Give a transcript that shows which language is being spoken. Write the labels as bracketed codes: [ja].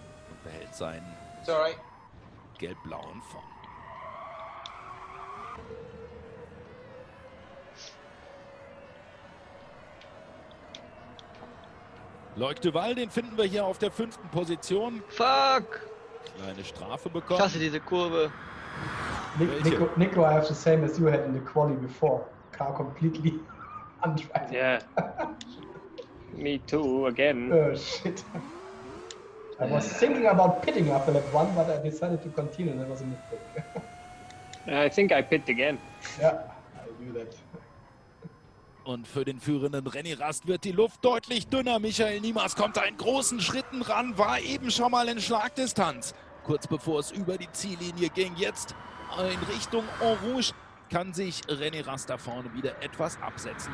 [de] Und behält seinen gelb-blauen Fond. Loic Duval, den finden wir hier auf der fünften Position. [en] Fuck! [de] Kleine Strafe bekommen. Klasse, diese Kurve. [en] Nico, I have the same as you had in the quali before. Car completely untried. Yeah. Me too, again. Oh, shit. I was thinking about pitting after that one, but I decided to continue and that was a mistake. I think I pit again. Yeah, I knew that. [de] Und für den führenden Renny Rast wird die Luft deutlich dünner. Michael Niemas kommt da in großen Schritten ran, war eben schon mal in Schlagdistanz. Kurz bevor es über die Ziellinie ging, jetzt in Richtung En Rouge, kann sich Renny Rast da vorne wieder etwas absetzen.